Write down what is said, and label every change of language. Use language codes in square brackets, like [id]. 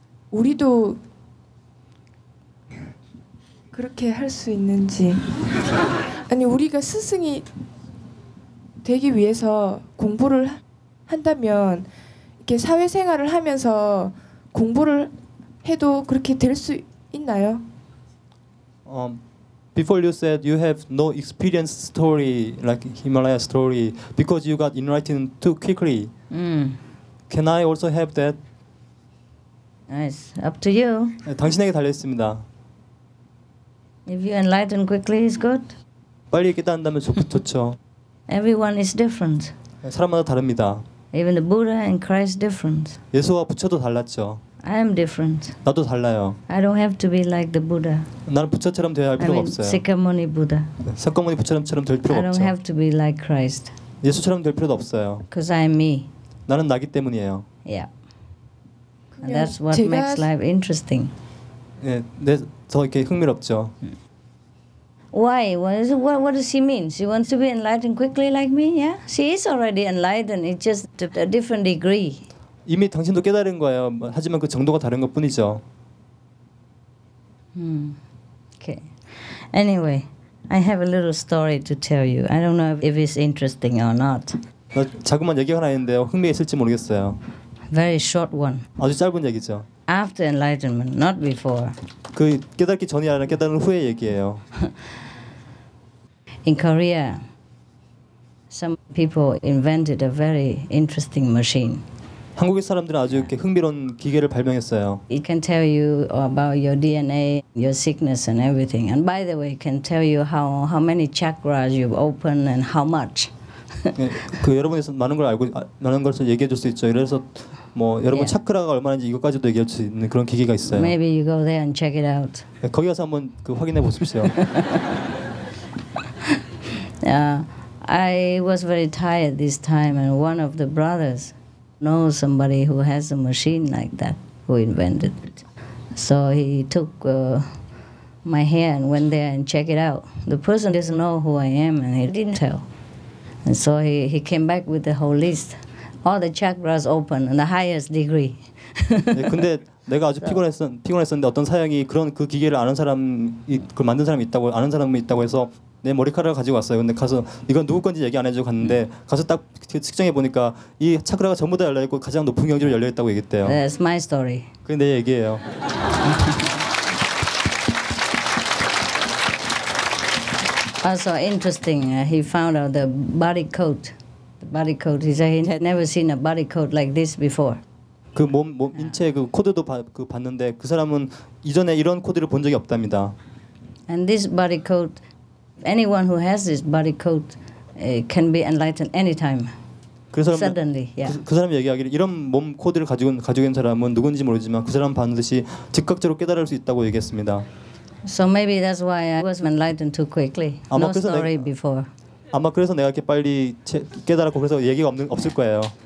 [ko] 우리도 그렇게 할 수 있는지. 아니, 우리가 스승이 되기 위해서 공부를 한다면 이렇게 사회생활을 하면서 공부를 해도 그렇게 될 수 있나요? [en] Before you said you have no experience story, like Himalaya story, because you got enlightened too quickly. Can I also have that? Nice. Up to you. [ko] 당신에게 달려 있습니다. [en] If you enlighten quickly, it's good. [ko] 빨리 깨달은다면 좋죠. [en] Everyone is different. [ko] 사람마다 다릅니다. [en] Even the Buddha and Christ different. [ko] 예수와 부처도 달랐죠. [en] I am different. [ko] 나도 달라요. [en] I don't have to be like the Buddha. [ko] 나는 부처처럼 되어야 할 필요가 없어요. [en] Sakyamuni Buddha. [ko] 석가모니 부처처럼 될 필요가 없죠. [en] I don't have to be like Christ. [ko] 예수처럼 될 필요도 없어요. [en] Because I am me. [ko] 나는 나기 때문이에요. [en] Yeah. And that's what makes life interesting. [ko] 네, 네, 더 이렇게 흥미롭죠. [en] Why? What does she mean? She wants to be enlightened quickly like me? Yeah? She is already enlightened. It's just a different degree. [ko] 이미 당신도 깨달은 거예요. 하지만 그 정도가 다른 것뿐이죠. Okay. [en] Anyway, I have a little story to tell you. I don't know if it's interesting or not. [ko] 나 자그마한 얘기 하나 있는데요. 흥미있을지 모르겠어요. [en] Very short one. [ko] 아주 짧은 얘기죠. [en] After enlightenment, not before. [ko] 그 깨닫기 전이 아니라 깨달은 후의 얘기예요. [en] In Korea, some people invented a very interesting machine. [ko] 한국의 사람들은 아주 이렇게 흥미로운 기계를 발명했어요. [en] It can tell you about your DNA, your sickness and everything. And by the way, it can tell you how many chakras you've opened and how much. [ko] 그 여러분에서 많은 걸 알고 많은 걸서 얘기해 줄 수 있죠. 그래서 뭐 여러분 yeah. 차크라가 얼마인지 이것까지도 얘기할 수 있는 그런 기계가 있어요. [en] Maybe you go there and check it out. [ko] 네, 거기 가서 한번 그 확인해 보십시오. [en] Yeah, I was very tired this time, and one of the brothers know somebody who has a machine like that, who invented it. So he took my hair and went there and check it out. The person doesn't know who I am, and he didn't tell. And so he came back with the whole list. All the chakras open and the highest degree. [ko] 네, 근데 내가 아주 피곤했었는데 어떤 사형이 그런 그 기계를 아는 사람이 그걸 만든 사람이 있다고 아는 사람이 있다고 해서 내 머리카락을 가지고 왔어요. 근데 가서 이건 누구 건지 얘기 안 해주고 갔는데 가서 딱 측정해 보니까 이 차크라가 전부 다 열려 있고 가장 높은 경지로 열려 있다고 얘기했대요. [en] That's my story. [ko] 그게 내 얘기예요. [en] Also interesting. He found out the body coat. Body coat. He said he had never seen a body coat like this before. [ko] 그 몸 인체 그 코드도 그 봤는데 그 사람은 이전에 이런 코드를 본 적이 없답니다. [en] And this body coat, anyone who has this body coat can be enlightened anytime. [ko] 그 사람은 [en] suddenly. Yeah. [ko] 그 사람 얘기하기를 이런 몸 코드를 가지고 있는 사람은 누군지 모르지만 그 사람 반드시 즉각적으로 깨달을 수 있다고 얘기했습니다. [en] So maybe that's why I was enlightened too quickly. No story before. [ko] 아마 그래서 내가 이렇게 빨리 깨달았고 그래서 얘기가 없을 거예요.